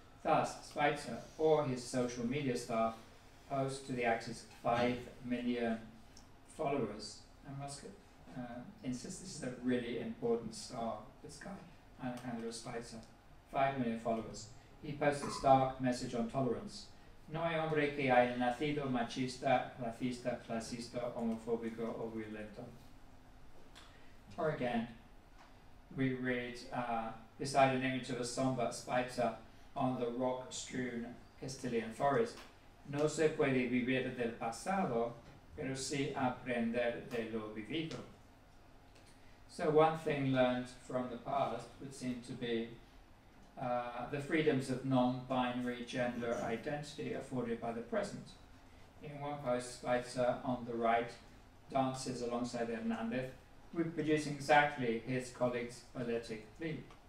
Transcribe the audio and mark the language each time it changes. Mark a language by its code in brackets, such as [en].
[en] Thus, Spitzer or his social media staff post to the actor's 5 million followers. I must insist this is a really important star, this guy, Alejandro Spitzer. 5 million followers. He posts a stark message on tolerance. [es] No hay hombre que haya nacido machista, racista, clasista, homofóbico o violento. [en] Or again, we read beside an image of a somber Spitzer on the rock-strewn Castilian forest. [es] No se puede vivir del pasado, pero sí aprender de lo vivido. [en] So one thing learned from the past would seem to be the freedoms of non-binary gender identity afforded by the present. In one post, Spitzer on the right dances alongside Hernandez, reproducing exactly his colleague's balletic plea.